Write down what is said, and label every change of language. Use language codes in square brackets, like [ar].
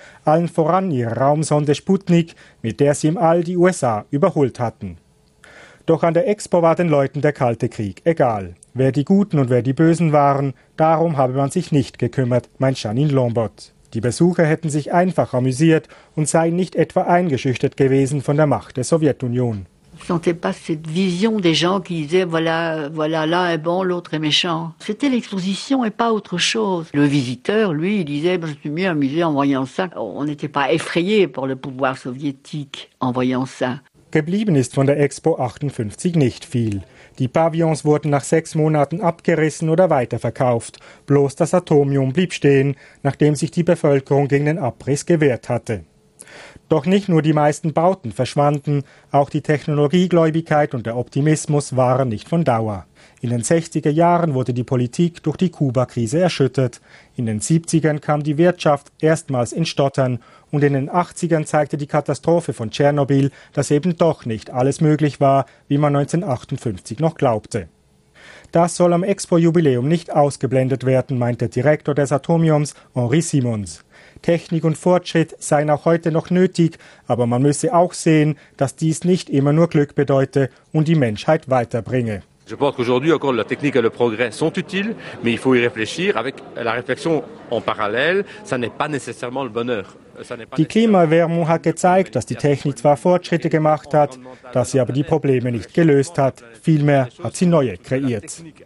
[de] Allen voran ihre Raumsonde Sputnik, mit der sie im All die USA überholt hatten. Doch an der Expo war den Leuten der Kalte Krieg egal. Wer die Guten und wer die Bösen waren, darum habe man sich nicht gekümmert, meint Janine Lombard. Die Besucher hätten sich einfach amüsiert und seien nicht etwa eingeschüchtert gewesen von der Macht der Sowjetunion. [fr] Sentait pas cette vision des gens qui disaient voilà, voilà, l'un est bon, l'autre est méchant. C'était l'exposition et pas autre chose. Le visiteur, lui, il disait, je suis mieux amusé en voyant ça. On n'était pas effrayé par le pouvoir soviétique en voyant ça. [de] Geblieben ist von der Expo 58 nicht viel. Die Pavillons wurden nach 6 Monaten abgerissen oder weiterverkauft. Bloß das Atomium blieb stehen, nachdem sich die Bevölkerung gegen den Abriss gewehrt hatte. Doch nicht nur die meisten Bauten verschwanden, auch die Technologiegläubigkeit und der Optimismus waren nicht von Dauer. In den 60er Jahren wurde die Politik durch die Kuba-Krise erschüttert. In den 70ern kam die Wirtschaft erstmals in Stottern. Und in den 80ern zeigte die Katastrophe von Tschernobyl, dass eben doch nicht alles möglich war, wie man 1958 noch glaubte. Das soll am Expo-Jubiläum nicht ausgeblendet werden, meint der Direktor des Atomiums, Henri Simons. Technik und Fortschritt seien auch heute noch nötig, aber man müsse auch sehen, dass dies nicht immer nur Glück bedeute und die Menschheit weiterbringe. [fr] Je pense qu'aujourd'hui encore la technique et le progrès sont utiles, mais il faut y réfléchir. Avec la réflexion en parallèle, ça n'est pas nécessairement le bonheur. [de] Die Klimaerwärmung hat gezeigt, dass die Technik zwar Fortschritte gemacht hat, dass sie aber die Probleme nicht gelöst hat. Vielmehr hat sie neue kreiert.